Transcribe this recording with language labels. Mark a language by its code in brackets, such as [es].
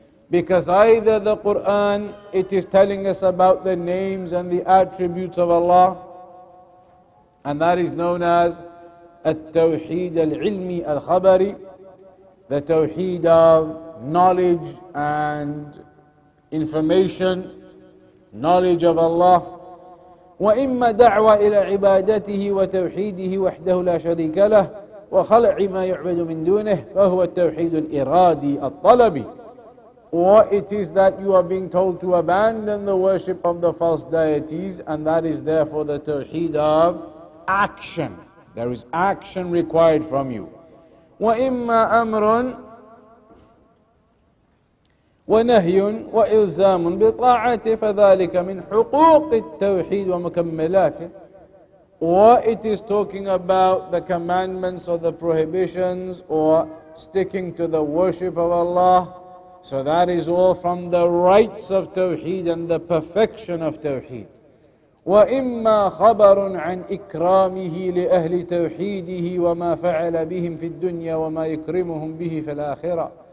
[en] Because either the Qur'an, it is telling us about the names and the attributes of Allah, and that is known as [ar] التوحيد العلمي الخبري, [en] the tawheed of knowledge and information, knowledge of Allah. [ar] وإما دعوة إلى عبادته وتوحيده وحده لا شريك له وخلع ما يعبد من دونه فهو التوحيد الإرادي الطلبي. [en] Or it is that you are being told to abandon the worship of the false deities, and that is therefore the tawheed of action. There is action required from you. [ar] وإما أمر ونهي وإلزام بطاعة فذلك من حقوق التوحيد ومكملاته. [en] Or it is talking about the commandments or the prohibitions or sticking to the worship of Allah So that is all from the rights of Tawheed and the perfection of Tawheed. [ar] وَإِمَّا خَبَرٌ عَنْ إِكْرَامِهِ لِأَهْلِ تَوْحِيدِهِ وَمَا فَعَلَ بِهِمْ فِي الدُّنْيَا وَمَا يُكْرِمُهُمْ بِهِ فِي الْآخِرَةِ.